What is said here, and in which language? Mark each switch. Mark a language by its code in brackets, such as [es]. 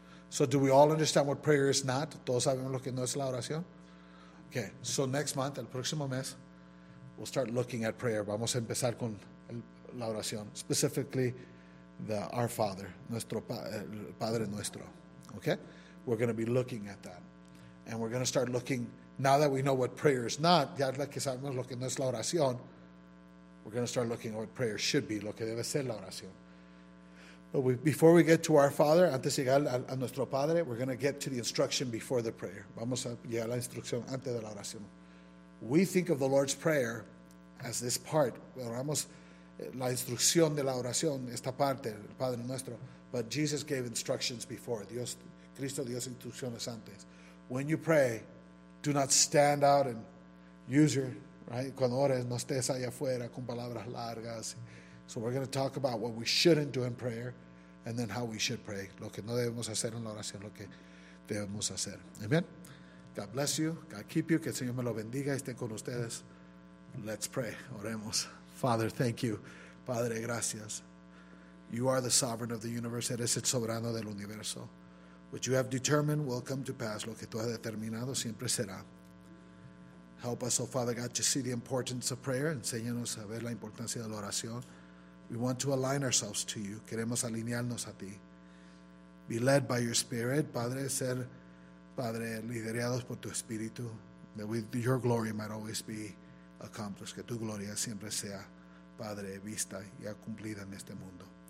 [en] So do we all understand what prayer is not? [es] ¿Todos sabemos lo que no es la oración? [en] Okay, so next month, [es] el próximo mes, [en] we'll start looking at prayer. [es] Vamos a empezar con la oración. [en] Specifically, our Father, [es] nuestro Padre nuestro. [en] Okay? We're going to be looking at that. And we're going to start looking, now that we know what prayer is not, [es] ya que sabemos lo que no es la oración, [en] We're going to start looking at what prayer should be, [es] lo que debe ser la oración. [en] But before we get to our Father, [es] antes de llegar a nuestro Padre, [en] we're going to get to the instruction before the prayer. [es] Vamos a llegar a la instrucción antes de la oración. [en] We think of the Lord's Prayer as this part. [es] Oramos la instrucción de la oración, esta parte, el Padre Nuestro. [en] But Jesus gave instructions before. [es] Dios, Cristo dio instrucciones antes. [en] When you pray, do not stand out and use your, right? [es] Cuando ores, no estés allá afuera con palabras largas. [en] So we're going to talk about what we shouldn't do in prayer and then how we should pray. [es] Lo que no debemos hacer en la oración, lo que debemos hacer. [en] Amen. God bless you. God keep you. [es] Que el Señor me lo bendiga y esté con ustedes. [en] Let's pray. [es] Oremos. [en] Father, thank you. [es] Padre, gracias. [en] You are the sovereign of the universe. [es] Eres el soberano del universo. [en] What you have determined will come to pass. [es] Lo que tú has determinado siempre será. [en] Help us, oh Father God, to see the importance of prayer. [es] Enséñanos a ver la importancia de la oración. [en] We want to align ourselves to you. [es] Queremos alinearnos a ti. [en] Be led by your spirit, [es] Padre, ser, Padre, liderados por tu espíritu. [en] That with your glory might always be accomplished. [es] Que tu gloria siempre sea, Padre, vista y cumplida en este mundo.